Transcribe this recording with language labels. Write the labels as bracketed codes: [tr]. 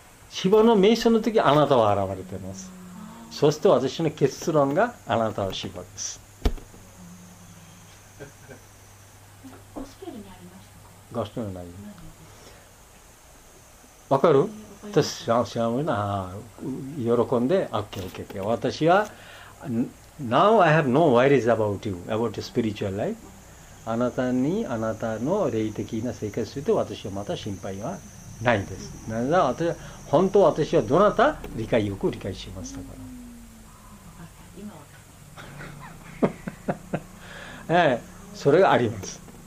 [ja] 芝の瞑想の時あなたは現れてます。そして私の結論があなたは芝です。ゴスペルにありましたか。ゴスペルにありました。わかる。私は知らないな。喜んで [en] OKOKOK [ja] 私は [en] Now I have no worries about you, about your spiritual life. [ja] あなたにあなたの霊的な生活について私はまた心配はないです。なぜなら私は本当私はどなた理解よく理解しましたから。今ええ、それがあります。